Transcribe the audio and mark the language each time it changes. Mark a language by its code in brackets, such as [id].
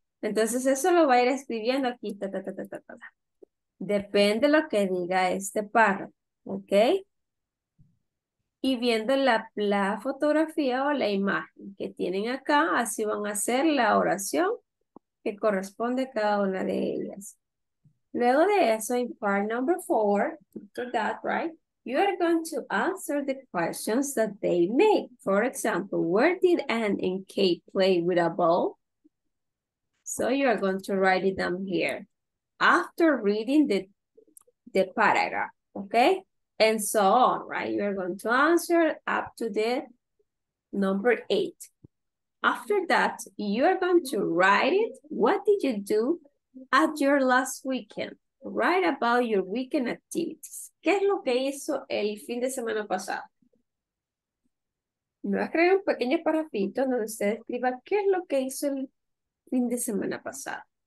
[es] Entonces eso lo va a ir escribiendo aquí, ta, ta, ta, ta, ta, ta. Depende lo que diga este párrafo, okay? Y viendo la fotografía o la imagen que tienen acá, así van a hacer la oración que corresponde a cada una de ellas. Luego de eso, [en] in part number four, after that, right, you are going to answer the questions that they make. For example, where did Anne and Kate play with a ball? So you are going to write it down here after reading the paragraph, okay? And so on, right? You are going to answer up to the number eight. After that, you are going to write it. What did you do at your last weekend? Write about your weekend activities. [es] ¿Qué es lo que hizo el fin de semana pasado? Me voy a crear un pequeño parrafito donde usted escriba qué es lo que hizo el fin de semana pasado.